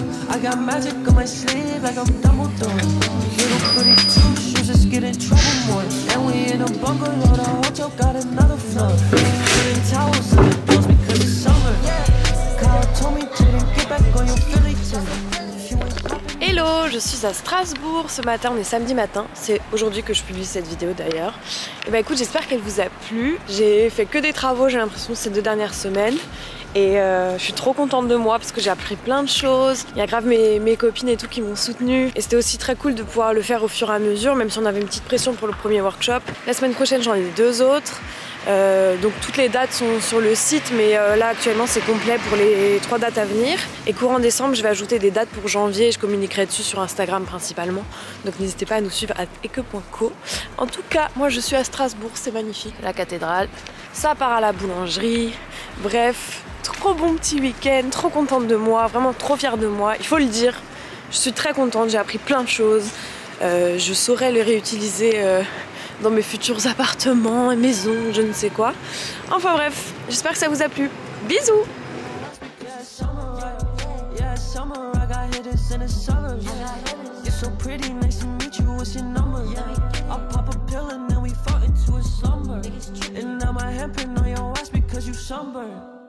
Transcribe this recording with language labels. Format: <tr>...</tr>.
<en>I got magic on my sleeve like I'm Dumbledore. Little pretty too. Just get in trouble more. And we in a bungalow, the hotel got another floor. Putting towels in the pools because it's summer. Kyle told me to get back on your Philly team.</en> <fr>Hello, je suis à Strasbourg ce matin, on est samedi matin, c'est aujourd'hui que je publie cette vidéo d'ailleurs. Et bah écoute, j'espère qu'elle vous a plu, j'ai fait que des travaux j'ai l'impression ces deux dernières semaines et je suis trop contente de moi parce que j'ai appris plein de choses, il y a grave mes copines et tout qui m'ont soutenue et c'était aussi très cool de pouvoir le faire au fur et à mesure même si on avait une petite pression pour le premier workshop. La semaine prochaine j'en ai deux autres. Donc toutes les dates sont sur le site mais là actuellement c'est complet pour les 3 dates à venir et courant décembre je vais ajouter des dates pour janvier et je communiquerai dessus sur Instagram principalement, donc n'hésitez pas à nous suivre à eke.co. En tout cas moi je suis à Strasbourg, c'est magnifique, la cathédrale, ça part à la boulangerie, bref trop bon petit week-end, trop contente de moi, vraiment trop fière de moi, il faut le dire, je suis très contente, j'ai appris plein de choses, je saurai les réutiliser dans mes futurs appartements et maisons, je ne sais quoi. Enfin bref, j'espère que ça vous a plu. Bisous!</fr> <en>Yeah, summer, yeah, summer, I got hit in the summer, yeah. so pretty, nice to meet you, what's your number? Yeah. I'll pop a pill and then we fall into a slumber. And now my hand pin on your ass because you sunburned.</en>